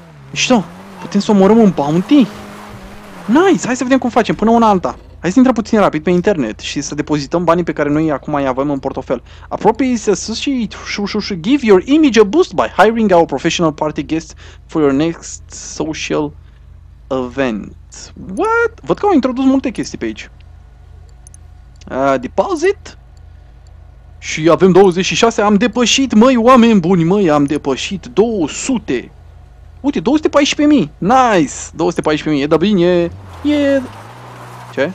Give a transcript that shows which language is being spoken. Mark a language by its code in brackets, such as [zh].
[ro] Mișto, putem să omorăm un bounty? [en] Nice, [ro] hai să vedem cum facem, până una alta. Hai să intrăm puțin rapid pe internet și să depozităm banii pe care noi acum îi avem în portofel. Apropie sus și [en] give your image a boost by hiring our professional party guest for your next social event. What? [ro] Văd că au introdus multe chestii pe aici. Deposit? Și avem 26, am depășit, măi, oameni buni, măi, am depășit 200. Uite, 214.000! [en] Nice! [ro] 214.000, e da bine! Ce?